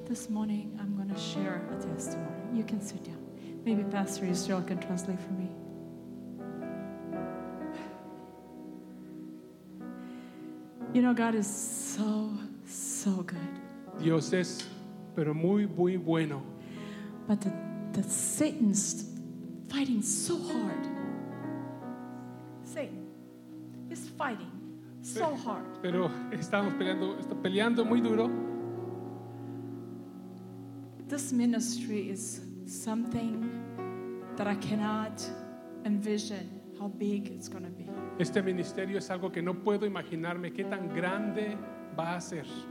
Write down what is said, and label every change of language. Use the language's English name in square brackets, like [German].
[English] morning I'm going to share a testimony. You can sit down. Maybe Pastor Israel can translate for me. You know, God is so, so good. [Spanish] Dios es, pero muy, muy bueno. [English] But the Satan's fighting so hard. Satan is fighting so hard. [Spanish] Pero estamos peleando, está peleando muy duro. [English] This ministry is something that I cannot envision how big it's going to be. [Spanish] Este ministerio es algo que no puedo imaginarme qué tan grande va a ser.